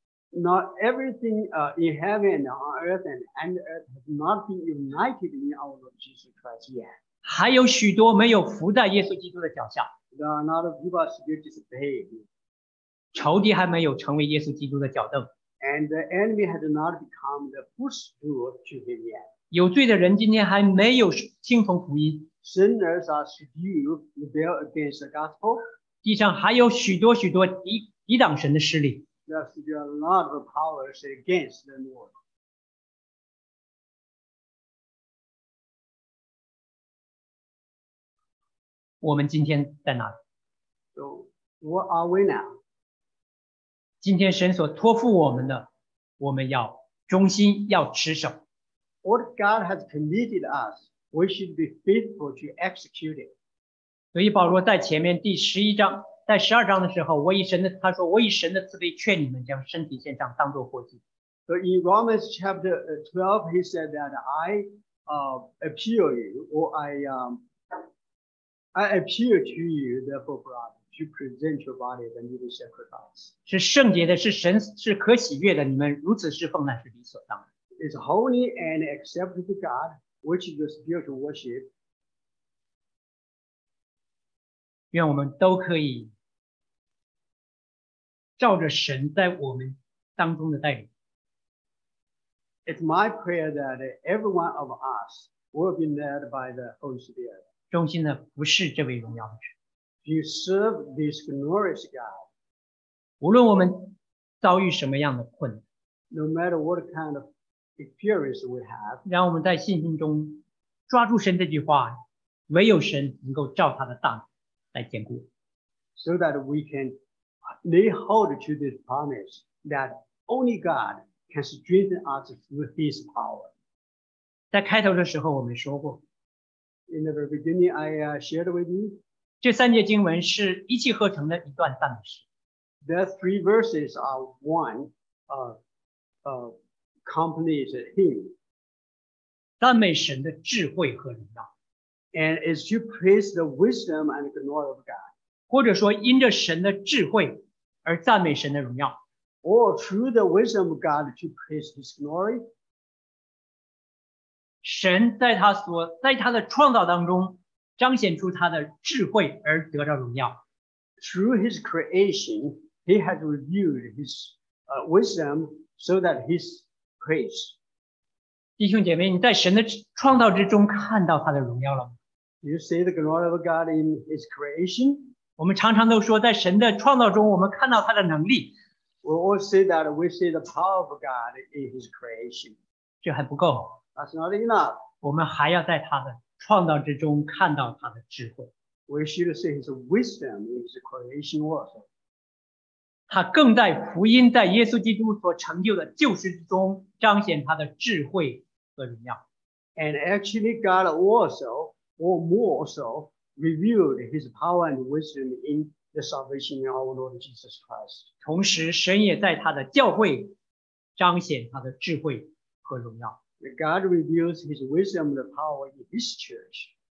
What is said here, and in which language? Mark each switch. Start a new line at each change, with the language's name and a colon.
English: Not everything in heaven, on earth, and under earth has not been united in our Lord Jesus Christ yet.
Chinese: 还有许多没有伏在耶稣基督的脚下。
English: There are a lot of people still disobeyed.
Chinese: 仇敌还没有成为耶稣基督的脚凳。
English: And the enemy has not become the footstool to him yet.
Chinese: 有罪的人今天还没有听从福音。
English: Sinners are still rebel against the gospel.
Chinese: 地上还有许多许多抵挡神的势力。
English: There's still a lot of powers against the Lord.
Chinese: 我们今天在哪里?
English: So, what are we now?
Chinese: 今天神所托付我们的, 我们要忠心, 要持守。
English: What God has committed us, we should be faithful to execute it.
Chinese: 所以保罗在前面第十一章, 在12章的时候, 我以神的, 他说, 我以神的慈悲劝你们将身体献上, 当作活祭。
English: So in Romans chapter 12, he said that I appeal to you, therefore, brother, to present your body as a living sacrifice.
Chinese: 是圣洁的, 是神, 是可喜悦的, 你们如此侍奉, 那是理所当然。
English: It's holy and acceptable to God, which is your spiritual worship.
Chinese: 愿我们都可以 照着神在我们当中的带领。
English: It's my prayer that every one of us will be led by the Holy Spirit.
Chinese: 忠心的服侍这位荣耀的神。
English: You serve this glorious God.
Chinese: 无论我们遭遇什么样的困难。
English: No matter what kind of experience we have.
Chinese: 让我们在信心中抓住神这句话, 唯有神能够照他的大能来坚固。
English: So that we can lay hold to this promise that only God can strengthen us with His power.
Chinese: 在开头的时候我们说过,
English: In the very beginning, I shared with you,
Chinese: 这三节经文是一气呵成的一段赞美诗。
English: The three verses are one complete hymn.
Chinese: 赞美神的智慧和荣耀。
English: And it's to praise the wisdom and glory of God.
Chinese: 或者说因着神的智慧,
English: Or through the wisdom of God to praise His glory.
Chinese: 神在他的创造当中彰显出他的智慧而得着荣耀。
English: Through His creation, He has revealed His wisdom so that His praise.
Chinese: 弟兄姐妹,你在神的创造之中看到他的荣耀了吗?
English: Do you see the glory of God in His creation?
Chinese: 我们常常都说在神的创造中我们看到他的能力。
English: We all say that we see the power of God in His creation.
Chinese: 这还不够,
English: That's not enough.
Chinese: 我们还要在他的创造之中看到他的智慧。
English: We should see his wisdom in his creation work.
Chinese: 他更在福音在耶稣基督所成就的救世之中彰显他的智慧和荣耀。
English: And actually, God also, or more so, revealed his power and wisdom in the salvation of our Lord Jesus Christ.
Chinese: 同时神也在他的教会彰显他的智慧和荣耀。
English: God reveals his wisdom and power in his church.